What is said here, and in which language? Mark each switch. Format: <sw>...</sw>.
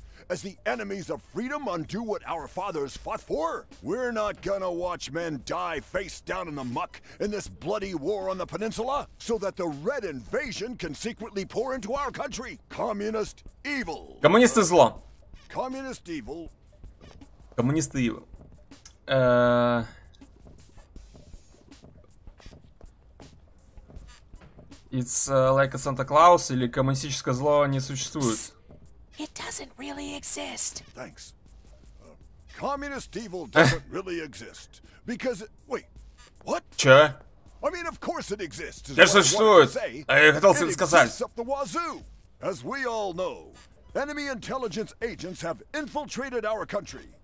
<en>As the enemies of freedom undo what our fathers fought for, we're not gonna watch men die face down in the muck in this bloody war on the peninsula so that the red invasion can secretly pour into our country. Communist evil.</en> <ru>Коммунисты зло.</ru> <en>Communist evil.</en> <ru>Коммунисты</ru> <en>evil. It's like a Santa Claus,</en> <ru>или коммунистическое зло не существует.</ru> <en>It doesn't really exist. Thanks. Communist evil doesn't really exist. Because it... Wait, what?</en> <ru>Че?</ru> <en>I mean, of course it exists.</en> <ru>Я существует. А я хотел это сказать.</ru> <en>It exists up the wazoo. As we all know, enemy intelligence agents have infiltrated our country.</en>